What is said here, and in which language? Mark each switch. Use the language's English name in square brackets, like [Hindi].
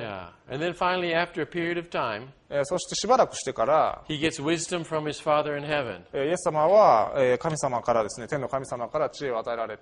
[English] Yeah. And then finally, after a period of time, [Japanese] そしてしばらくしてから、 [English] he gets wisdom from his father in heaven. [Japanese] イエス様は、神様からですね、天の神様から知恵を与えられ